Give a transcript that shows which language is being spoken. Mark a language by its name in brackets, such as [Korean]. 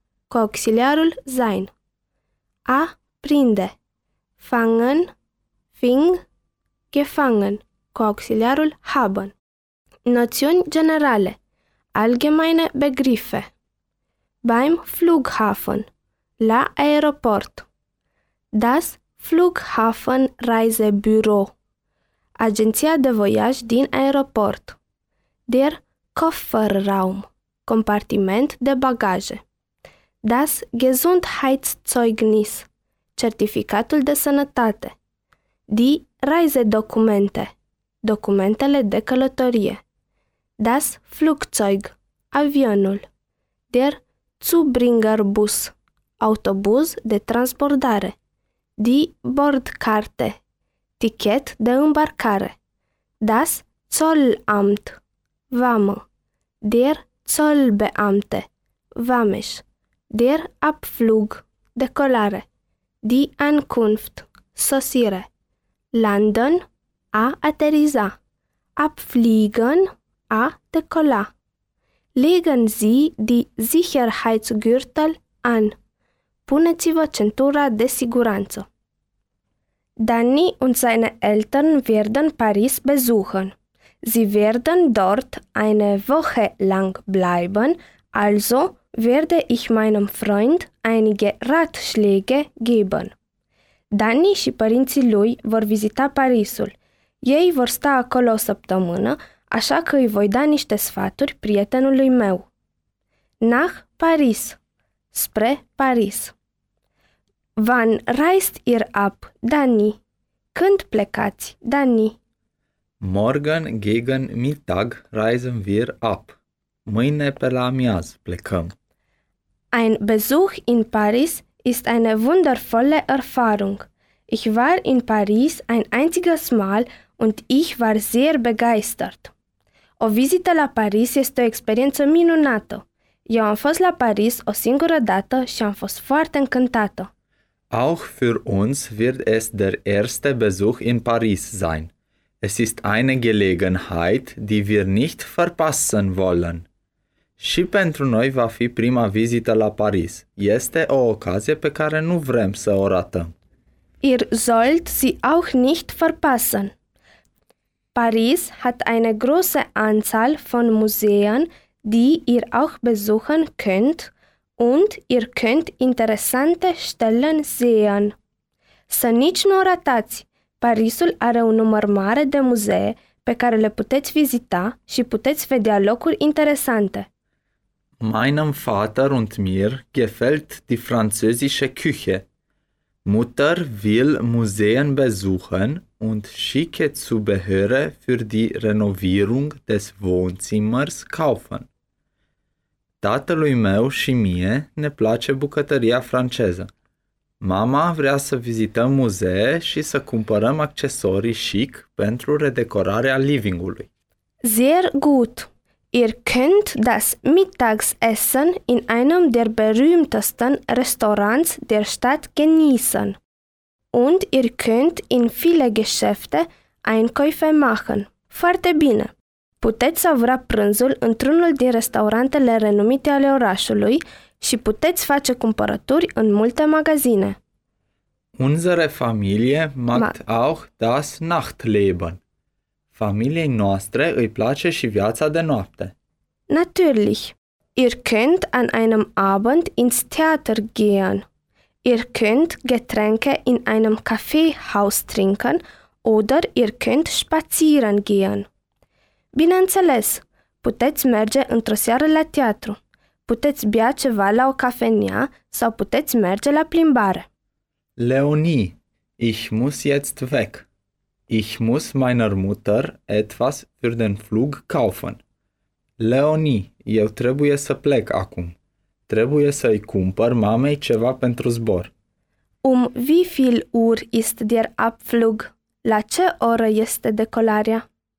[Romanian] Cu auxiliarul sein. A prinde. [German] Fangen. Fing. Gefangen. [Romanian] Cu auxiliarul haben. Noțiuni generale. [German] Allgemeine Begriffe. Beim Flughafen. [Romanian] La aeroport. [German] Das Flughafenreisebüro. [Romanian] Agenția de voiaj din aeroport. [German] Der Kofferraum. [Romanian] Compartiment de bagaje. [German] Das Gesundheitszeugnis. [Romanian] Certificatul de sănătate. [German] Die Reisedokumente. [Romanian] Documentele de călătorie. [German] Das Flugzeug. Avionul. Der Zubringerbus. [Romanian] Autobuz de transbordare. [German] Die Bordkarte. [Romanian] Tichet de îmbarcare. [German] Das Zollamt. [Romanian] Vamă. [German] Der Zollbeamte. Vameș. Der Abflug. Decolare. Die Ankunft. Sosire. Landen. [Romanian] A ateriza. Abfliegen. A decola. [German] Legen Sie die Sicherheitsgürtel an. [Romanian] Puneți-vă centura de siguranță. [German] Danny und seine Eltern werden Paris besuchen. Sie werden dort eine Woche lang bleiben, also werde ich meinem Freund einige Ratschläge geben. [Romanian] Danny și părinții lui vor vizita Parisul. Ei vor sta acolo o săptămână, așa că îi voi da niște sfaturi prietenului meu. [German] Nach Paris. [Romanian] Spre Paris. [German] Wann reist ihr ab, Danny? [Romanian] Când plecați, Danny? [German] Morgen gegen Mittag reisen wir ab. [Romanian] Mâine pe la amiaz plecăm. [German] Ein Besuch in Paris ist eine wundervolle Erfahrung. Ich war in Paris ein einziges Mal und ich war sehr begeistert. [Romanian] O vizită la Paris este o experiență minunată. Eu am fost la Paris o singură dată și am fost foarte încântată. [German] Auch für uns wird es der erste Besuch in Paris sein. Es ist eine Gelegenheit, die wir nicht verpassen wollen. [Romanian] Și pentru noi va fi prima vizită la Paris. Este o ocazie pe care nu vrem să o ratăm. [German] Ihr sollt sie auch nicht verpassen. Paris hat eine große Anzahl von Museen, die ihr auch besuchen könnt und ihr könnt interessante Stellen sehen. [Romanian] Să nici nu o ratați, Parisul are un număr mare de muzee pe care le puteți vizita și puteți vedea locuri interesante. [German] Meinem Vater und mir gefällt die französische Küche. Mutter will Museen besuchen und schicke Zubehör für die Renovierung des Wohnzimmers kaufen. [Romanian] Tatălui meu și mie ne place bucătăria franceză. Mama vrea să vizităm muzee și să cumpărăm accesorii chic pentru redecorarea livingului. [German] Sehr gut! Ihr könnt das Mittagessen in einem der berühmtesten Restaurants der Stadt genießen. Und ihr könnt in viele Geschäfte Einkäufe machen. [Romanian] Foarte bine! Puteți savura prânzul într-unul din restaurantele renumite ale orașului și puteți face cumpărături în multe magazine. [German] Unsere Familie macht auch das Nachtleben. [Romanian] Familiei noastre îi place și viața de noapte. [German] Natürlich. Ihr könnt an einem Abend ins Theater gehen. Ihr könnt Getränke in einem Kaffeehaus trinken oder ihr könnt spazieren gehen. [Romanian] Bineînțeles, puteți merge într-o seară la teatru. Puteți bea ceva la o cafenea sau puteți merge la plimbare. [German] Leonie, ich muss jetzt weg. Ich muss meiner Mutter etwas für den Flug kaufen. [Romanian] Leonie, eu trebuie să plec acum. Trebuie să îi cumpăr mamei ceva pentru zbor. [German] Wie viel Uhr ist der Abflug? [Romanian] La ce oră este decolarea?